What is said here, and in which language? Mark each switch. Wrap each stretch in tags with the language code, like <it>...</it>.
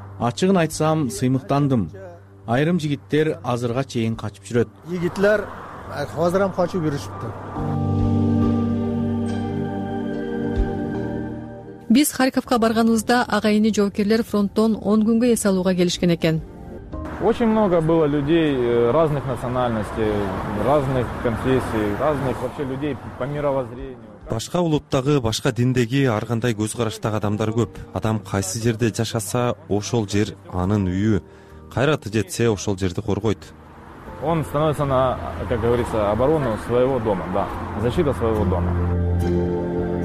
<ky>Ачыгын айтсам сыймыктандым. Айрым жигиттер азырга чейин качып жүрөт. Жигиттер азыр ам качып жүрүшүптү. Биз Харьковго барганыбызда агайыны жоокерлер фронттон 10 күнгө эс алууга келишкен экен.</ky> <ru>Очень много было людей разных национальностей, разных конфессий, разных вообще людей по мировоззрению.</ru> <ky>Башка улуттагы, башка диндеги ар кандай көз караштагы адамдар көп. Адам кайсы жерде жашаса, ошол жер анын үйү. Кайраты жетсе, ошол жерди коргойт.</ky> <ru>Он становится на, как говорится, оборону своего дома, да, защита своего дома.</ru>